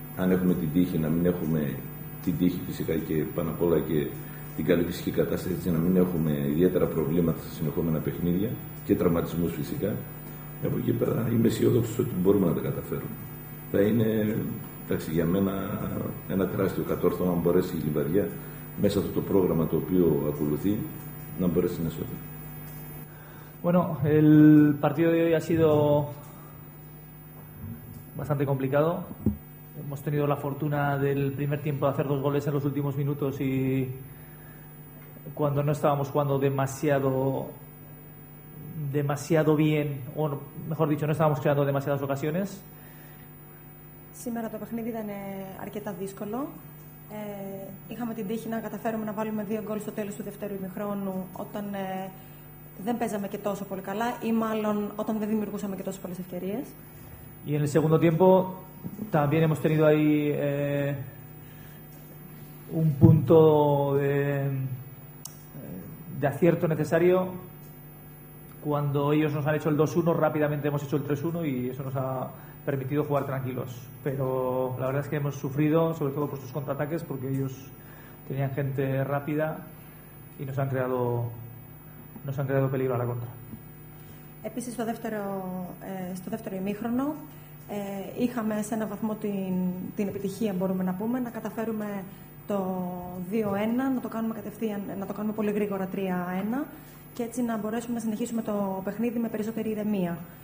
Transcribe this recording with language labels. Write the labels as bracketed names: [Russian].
[Greek] Αν έχουμε την τύχη να μην έχουμε την τύχη φυσικά και πάνω απ' όλα και την καλή φυσική κατάσταση, έτσι να μην έχουμε ιδιαίτερα προβλήματα στα συνεχόμενα παιχνίδια και τραυματισμούς φυσικά, από εκεί πέρα είμαι αισιόδοξος ότι μπορούμε να τα καταφέρουμε. Θα είναι, εντάξει, για μένα ένα τεράστιο κατόρθωμα αν μπορέσει η Λιβαδιά μέσα από το πρόγραμμα το οποίο ακολουθεί να μπορέσει να σώθει. [Spanish] Bueno, el partido de hoy ha sido bastante complicado. Hemos tenido la fortuna del primer tiempo de hacer dos goles en los últimos minutos y cuando no estábamos jugando demasiado bien, o mejor dicho, no estábamos creando demasiadas ocasiones. [Greek] Σήμερα το παιχνίδι ήταν αρκετά δύσκολο. Είχαμε την τύχη να καταφέρουμε να βάλουμε δύο γκολ στο τέλος του δεύτερου ημιχρόνου όταν δεν παίζαμε και τόσο πολύ καλά ή μάλλον όταν δεν δημιουργούσαμε και τόσο πολλές ευκαιρίες. [Spanish] Y en el segundo tiempo también hemos tenido ahí un punto de acierto necesario. Cuando ellos nos han hecho el 2-1, rápidamente hemos hecho el 3-1 y eso nos ha permitido jugar tranquilos. Pero la verdad es que hemos sufrido, sobre todo por sus contraataques, porque ellos tenían gente rápida y nos han creado peligro a la contra. [Greek] Επίσης, στο δεύτερο ημίχρονο, είχαμε σε ένα βαθμό την επιτυχία, μπορούμε να πούμε, να καταφέρουμε το 2-1, να το κάνουμε κατευθείαν, να το κάνουμε πολύ γρήγορα 3-1 και έτσι να μπορέσουμε να συνεχίσουμε το παιχνίδι με περισσότερη ηρεμία.